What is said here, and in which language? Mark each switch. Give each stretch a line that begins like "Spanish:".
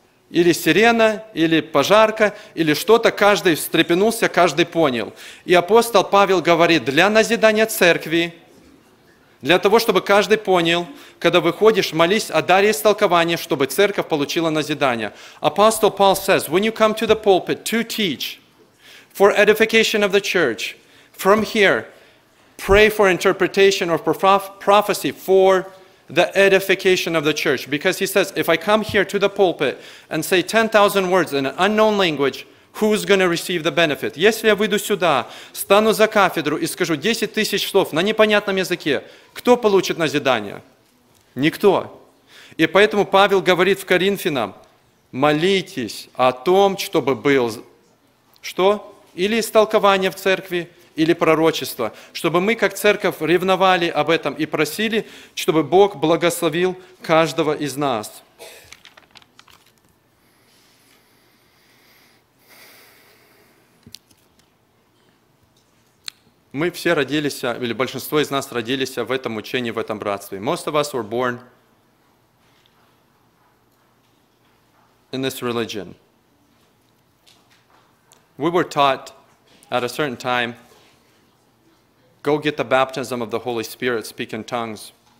Russian: Или сирена, или пожарка, или что-то, каждый встрепенулся, каждый понял. И апостол Павел говорит, для назидания церкви, для того, чтобы каждый понял, когда выходишь, молись о даре истолкования, чтобы церковь получила назидание.
English: Апостол Павел says, when you come to the pulpit to teach, for edification of the church, from here, pray for interpretation or prophecy for the edification of the church. Because he says, if I come here to the pulpit and say 10,000 words in an unknown language, who's going to receive the benefit?
Russian: Если я выйду сюда, стану за кафедру и скажу 10 тысяч слов на непонятном языке, кто получит назидание? Никто. И поэтому Павел говорит в Коринфянам, молитесь о том, чтобы был... Что? Или истолкование в церкви, или пророчество, чтобы мы, как церковь, ревновали об этом и просили, чтобы Бог благословил каждого из нас. Мы все родились, или большинство из нас родились в этом учении, в этом братстве.
English: Most of us were born in this religion. We were taught at a certain time, go get the baptism of the Holy Spirit, speak in tongues.